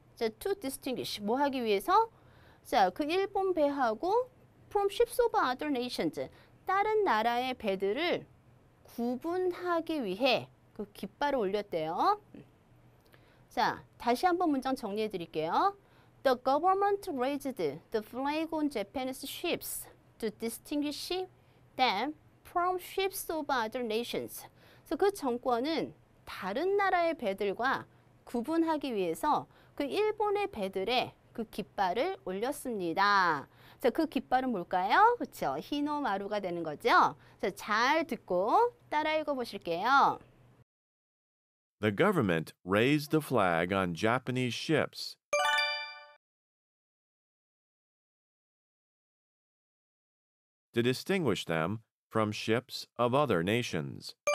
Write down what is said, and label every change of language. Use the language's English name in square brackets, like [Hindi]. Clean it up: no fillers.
[Korean] 자, [English] to distinguish, [Korean] 뭐 하기 위해서? 자, 그 일본 배하고 [English] from ships of other nations, [Korean] 다른 나라의 배들을 구분하기 위해 그 깃발을 올렸대요. 자, 다시 한번 문장 정리해 드릴게요. [English] The government raised the flag on Japanese ships to distinguish them from ships of other nations. [Korean] So 그 정권은 다른 나라의 배들과 구분하기 위해서 그 일본의 배들에 그 깃발을 올렸습니다. 자, 그 깃발은 뭘까요? 그렇죠. 히노마루가 되는 거죠. 자, 잘 듣고 따라 읽어 보실게요. [English] The government raised the flag on Japanese ships, to distinguish them from ships of other nations.